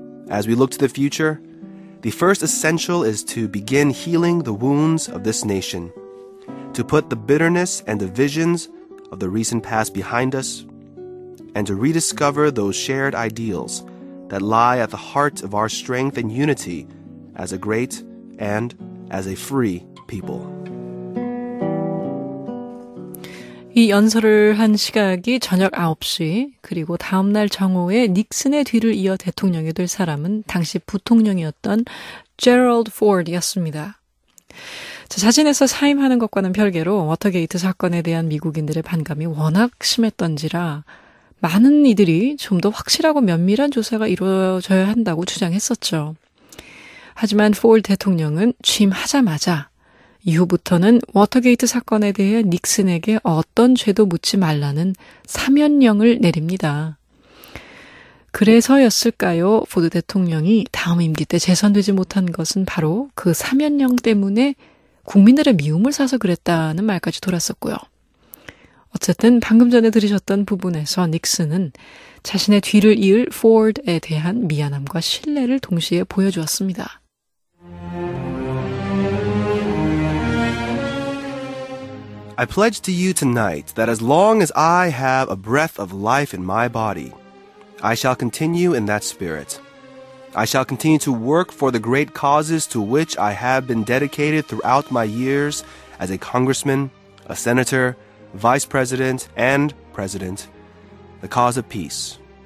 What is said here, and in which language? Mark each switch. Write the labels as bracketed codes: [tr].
[en] As we look to the future, the first essential is to begin healing the wounds of this nation, to put the bitterness and divisions of the recent past behind us, and to rediscover those shared ideals that lie at the heart of our strength and unity as a great and as a free people. [ko] 이 연설을 한 시각이 저녁 9시, 그리고 다음 날 정오에 닉슨의 뒤를 이어 대통령이 될 사람은 당시 부통령이었던 제럴드 포드였습니다. 자신에서 사임하는 것과는 별개로 워터게이트 사건에 대한 미국인들의 반감이 워낙 심했던지라 많은 이들이 좀 더 확실하고 면밀한 조사가 이루어져야 한다고 주장했었죠. 하지만 포드 대통령은 취임하자마자 이후부터는 워터게이트 사건에 대해 닉슨에게 어떤 죄도 묻지 말라는 사면령을 내립니다. 그래서였을까요? 포드 대통령이 다음 임기 때 재선되지 못한 것은 바로 그 사면령 때문에 국민들의 미움을 사서 그랬다는 말까지 돌았었고요. 어쨌든 방금 전에 들으셨던 부분에서 닉슨은 자신의 뒤를 이을 포드에 대한 미안함과 신뢰를 동시에 보여주었습니다. [en] I pledge to you tonight that as long as I have a breath of life in my body, I shall continue in that spirit. I shall continue to work for the great causes to which I have been dedicated throughout my years as a congressman, a senator, vice president, and president, the cause of peace.